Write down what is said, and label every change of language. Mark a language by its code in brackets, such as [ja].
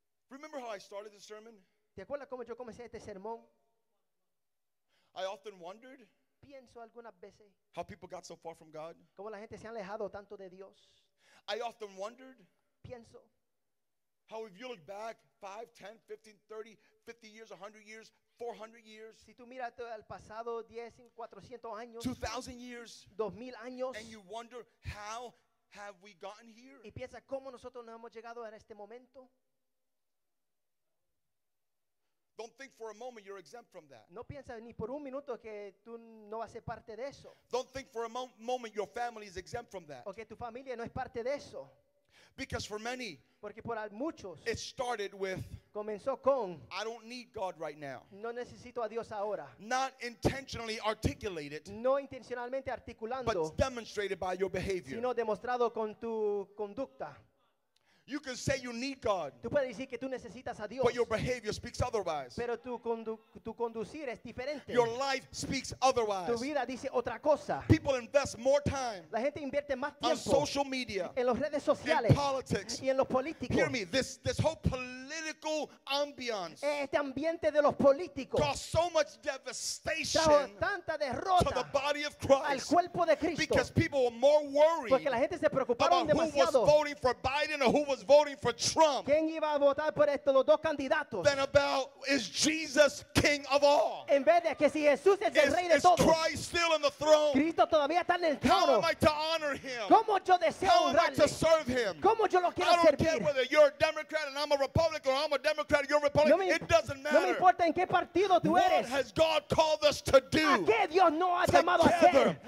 [en] Remember how I started the sermon? [es] ¿Te acuerdas cómo yo comencé este sermón? [en] I often wondered [es] pienso algunas veces [en] how people got so far from God. [es] Cómo la gente se ha alejado tanto de Dios. [en] I often wondered [es] pienso [en] how if you look back 5, 10, 15, 30, 50 years, 100 years, 400 years, [es] si tú miras al pasado 10, 400 años, [en] 2,000 years, [es] 2,000 años, [en] and you wonder how have we gotten here, [es] y piensa cómo nosotros nos hemos llegado a este momento. [en] Don't think for a moment you're exempt from that. [es] No pienses ni por un minuto que tú no vas a ser parte de eso. [en] Don't think for a moment your family is exempt from that. [es] O que tu familia no es parte de eso. [en] Because for many, [es] porque por muchos, [en] it started with, [es] comenzó con, [en] I don't need God right now. [es] No necesito a Dios ahora. [en] Not intentionally articulated, [es] no intencionalmente articulando, [en] but demonstrated by your behavior. [es] Sino demostrado con tu conducta. [en] You can say you need God. [es] Tú puedes decir que tú necesitas a Dios. [en] But your behavior speaks otherwise. [es] Pero tu conducir es diferente. [en] Your life speaks otherwise. [es] Tu vida dice otra cosa. [en] People invest more time. [es] La gente invierte más tiempo. [en] On social media. [es] En las redes sociales. [en] In politics. [es] Y en los políticos. [en] Hear me, this whole political ambiance. [es] Este ambiente de los políticos. [en] Caused so much devastation. [es] Tanta derrota. [en] To the body of Christ. [es] Al cuerpo de Cristo. [en] Because people were more worried. [es] Porque la gente se preocuparon demasiado. [en] About who was voting for Biden or who was voting for Trump. [es] ¿Quién iba a votar por estos los dos candidatos? [en] Then about is Jesus king of all? [es] En vez de que si Jesús es el rey de todos. [en] Is Christ still in the throne? [es] Cristo todavía está en el trono. [en] How am I to honor him? [es] ¿Cómo yo deseo honrarle? [en] How am I to serve him? [es] ¿Cómo yo lo quiero servir? [en] I don't care whether you're a Democrat and I'm a Republican or I'm a Democrat and you're a Republican. It doesn't matter. [es] No me importa en qué partido tú eres. [en] What has God called us to do? [es] ¿A qué Dios nos ha llamado a hacer?